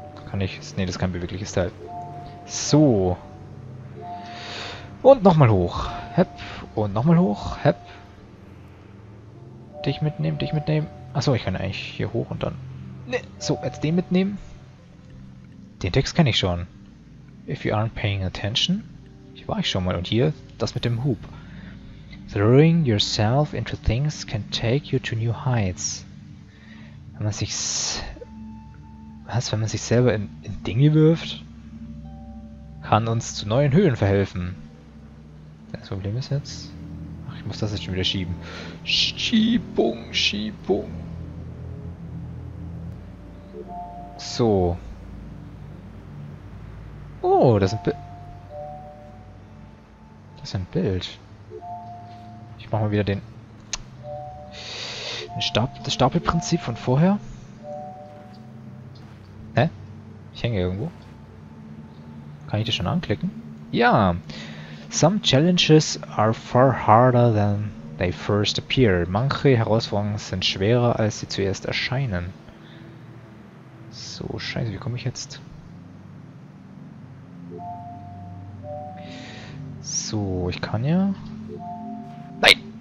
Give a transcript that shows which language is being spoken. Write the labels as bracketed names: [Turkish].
[German] Kann ich... Nee, das ist kein bewegliches Teil. So. Und nochmal hoch. Hep. Und nochmal hoch. Hep. Dich mitnehmen, dich mitnehmen. Achso, ich kann eigentlich hier hoch und dann... Ne, so, jetzt den mitnehmen. Den Text kenne ich schon. [English] If you aren't paying attention. [German] Hier war ich schon mal. Und hier, das mit dem Hoop. [English] Throwing yourself into things can take you to new heights. [German] Wenn man sich... Was? Wenn man sich selber in Dinge wirft, kann uns zu neuen Höhen verhelfen. Das Problem ist jetzt... Ich muss das jetzt schon wieder schieben. Schiebung, Schiebung. So. Oh, das ist ein Bild. Das ist ein Bild. Ich mache mal wieder den, das Stapelprinzip von vorher. Hä? Ich hänge irgendwo. Kann ich das schon anklicken? Ja. [English] Some challenges are far harder than they first appear. [German] Manche Herausforderungen sind schwerer, als sie zuerst erscheinen. So, scheiße, wie komme ich jetzt? So, ich kann ja... Nein!